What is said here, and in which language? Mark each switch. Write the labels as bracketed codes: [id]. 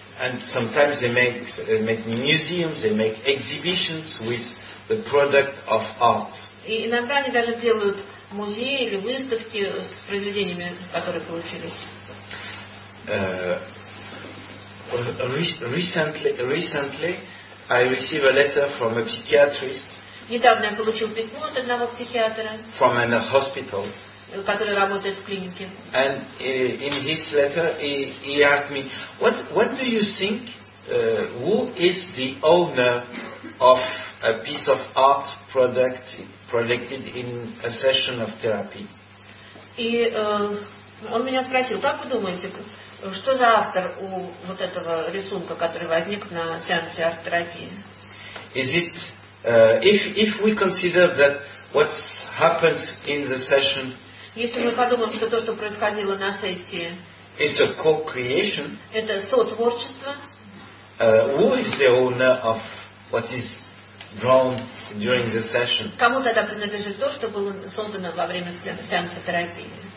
[en] And sometimes they make museums, they make exhibitions with the product of art. [ru] И иногда они даже делают музеи или выставки с произведениями, которые получились. [en] Recently I received a letter from a psychiatrist. [ru] Недавно я получил письмо от одного психиатра. [en] From an hospital. [ru] Который работает в клинике. [en] And in his letter he asked me, what do you think, who is the owner of a piece of art projected in a session of therapy? [ru] И он меня спросил, как вы думаете, что за автор у вот этого рисунка, который возник на сеансе арт-терапии? [en] Is it if we consider that what happens in the session? [ru] Если мы подумаем, что то, что происходило на сессии, [en] is a co-creation. [ru] Это сотворчество. [en] Who is the owner of what is drawn during the session? [ru] Кому тогда принадлежит то, что было создано во время сеанса терапии?